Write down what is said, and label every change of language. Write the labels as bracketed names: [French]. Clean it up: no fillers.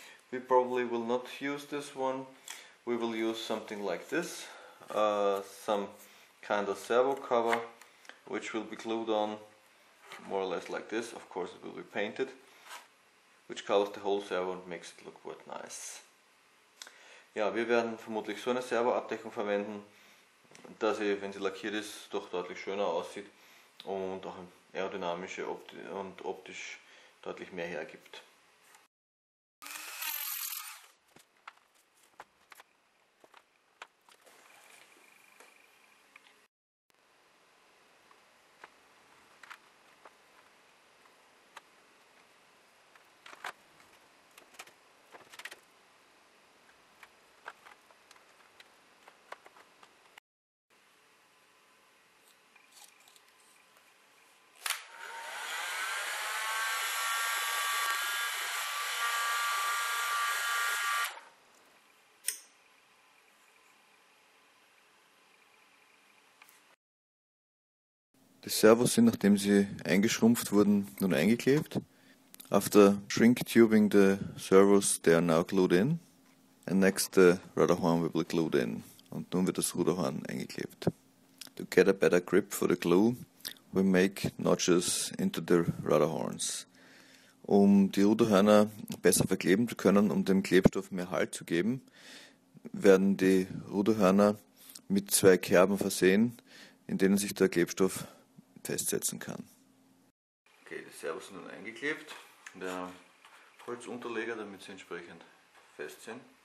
[English] We probably will not use this one. We will use something like this, some kind of servo cover which will be glued on more or less like this. Of course it will be painted, which covers the whole servo and makes it look quite nice. [German] Ja, wir werden vermutlich so eine Servoabdeckung verwenden, dass sie, wenn sie lackiert ist, doch deutlich schöner aussieht und auch aerodynamische und optisch deutlich mehr hergibt. Die Servos sind, nachdem sie eingeschrumpft wurden, nun eingeklebt. [English] After shrink tubing the servos, they are now glued in. And next the rudderhorn will be glued in. [German] Und nun wird das Ruderhorn eingeklebt. [English] To get a better grip for the glue, we make notches into the rudderhorns. [German] Um die Ruderhörner besser verkleben zu können, um dem Klebstoff mehr Halt zu geben, werden die Ruderhörner mit zwei Kerben versehen, in denen sich der Klebstoff festsetzen kann. Okay, die Servos sind nun eingeklebt. Der Holzunterleger, damit sie entsprechend fest sind.